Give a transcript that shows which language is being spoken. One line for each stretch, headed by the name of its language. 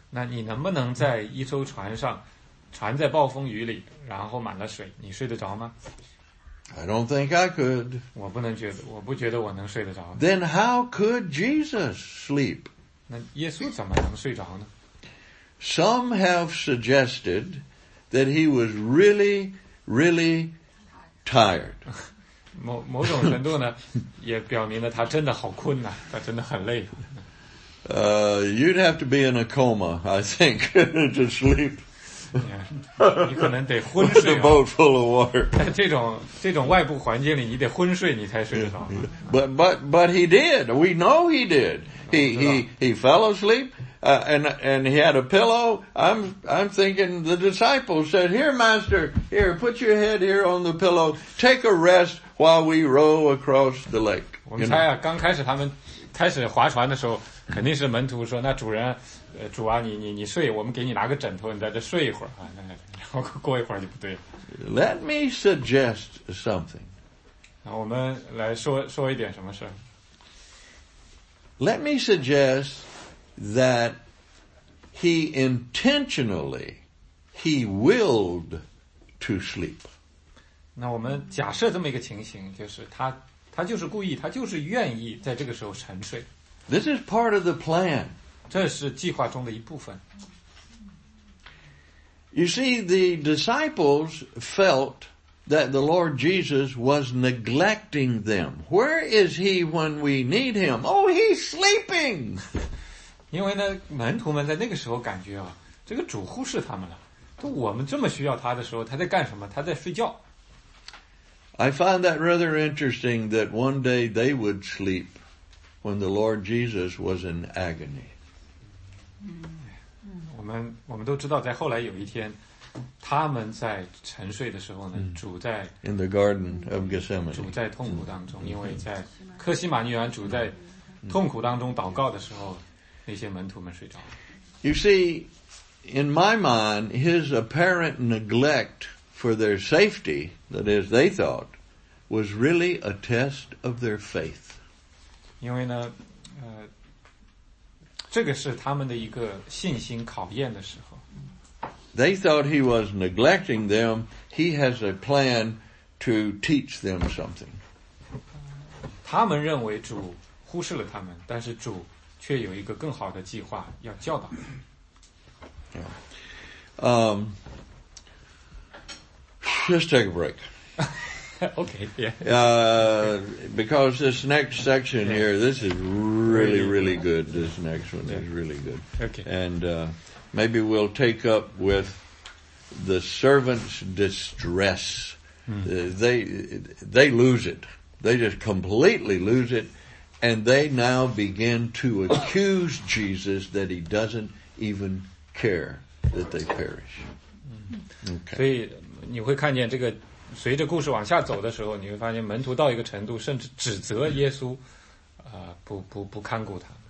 Chinese: 那你能不能在一艘船上，船在暴风雨里，然后满了水，你睡得着吗？
English: I don't think I could.
Chinese: 我不觉得我能睡得着。
English: Then how could Jesus sleep?
Chinese: 那耶稣怎么能睡着呢？
English: Some have suggested that he was really, really tired.
Chinese: 某种程度呢 也表明了他真的好困难，他真的很累。
English: You'd have to be in a coma, I think, to sleep. Yeah,
Chinese: 你可能得昏睡啊。
English: With a boat full of water.
Chinese: 在这种外部环境里，你得昏睡，你才睡得着。
English: But he did. We know he did. He fell asleep, and he had a pillow. I'm thinking the disciples said, "Here, Master, here, put your head here on the pillow. Take a rest while we row across the lake."
Chinese: 我们猜啊，刚开始他们开始划船的时候，肯定是门徒说，那主人。主啊，你睡，我们给你拿个枕头，你在这睡一会儿啊。然后过一会儿就不对了。
English: Let me suggest something.
Chinese: 那我们来说一点什么事。
English: Let me suggest that he intentionally, he willed to sleep.
Chinese: 那我们假设这么一个情形，就是他就是故意，他就是愿意在这个时候沉睡。
English: This is part of the plan.
Chinese: 这是计划中的一部分。
English: You see, the disciples felt that the Lord Jesus was neglecting them. Where is he when we need him? Oh, he's sleeping!
Chinese: 因为呢，门徒们在那个时候感觉啊，这个主忽视他们了。都我们这么需要他的时候，他在干什么？他在睡觉。
English: I find that rather interesting that one day they would sleep when the Lord Jesus was in agony.
Chinese: 我们都知道，在后来有一天，他们在沉睡的时候呢，主在
English: in the Garden of Gethsemane，
Chinese: 主在痛苦当中，因为在科西玛尼园，主在痛苦当中祷告的时候，那些门徒们睡着了。
English: You see, in my mind, his apparent neglect for their safety—that is, they thought—was really a test of their faith.
Chinese: 因为呢，这个是他们的一个信心考验的时候。
English: They thought he was neglecting them. He has a plan to teach them something.
Chinese: 他们认为主忽视了他们，但是主却有一个更好的计划要教导他们。
English: Yeah. Let's take a break. Okay. Yeah. Because this next section here, this is really, really good. This next one is really good. Okay. And maybe we'll take up with the servant's distress. They lose it. They just completely lose it. And they now begin to accuse Jesus that he doesn't even care that they perish. Okay.
Chinese: 所以你会看见这个随着故事往下走的时候，你会发现门徒到一个程度，甚至指责耶稣，不看顾他。